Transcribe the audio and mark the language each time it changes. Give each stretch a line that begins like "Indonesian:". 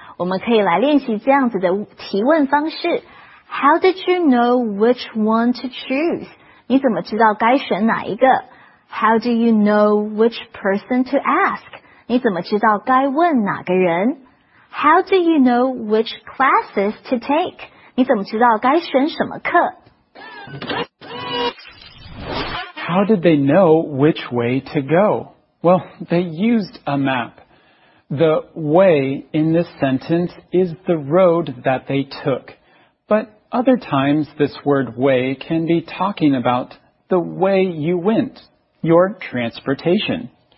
Chinese: 我们可以来练习这样子的提问方式。
English: How did you know which one to choose?
Chinese: 你怎么知道该选哪一个?
English: How do you know which person to ask?
Chinese: 你怎么知道该问哪个人 ？
English: How do you know which classes to take？
Chinese: 你怎么知道该选什么课
English: ？How did they know which way to go？ Well, they used a map. The way in this sentence is the road that they took. But other times this word way can be talking about the way you went, your transportation.